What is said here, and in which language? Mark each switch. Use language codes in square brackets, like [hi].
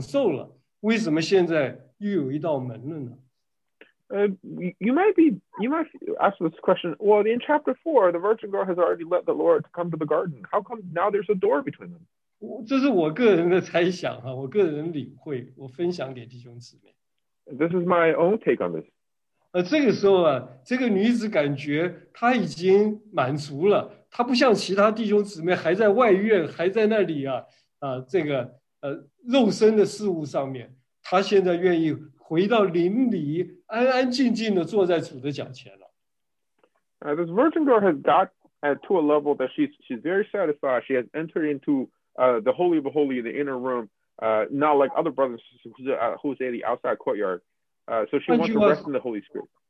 [zh] 主，我们觉得奇怪啊，前面第四章啊，他主已经进到他的心里面，到了他园子里面了，主都满足，都享受了，为什么现在又有一道门了呢？ [en] You might ask this question. Well, in chapter 4, the virgin girl has already let the Lord come to the garden. How come now there's a door between them? [zh] 这是我个人的猜想，我个人领会，我分享给弟兄姊妹。 [en] This is my own take on this. [zh] 这个时候，这个女子感觉她已经满足了，她不像其他弟兄姊妹还在外院，还在那里，这个肉身的事物上面，她现在愿意回到灵里，安安静静的坐在主的脚前了。 [en] This virgin girl has got to a level that she's very satisfied. She has entered into the holy of holy, the inner room, not like other brothers who's in the outside courtyard. So she wants to rest in the Holy Spirit.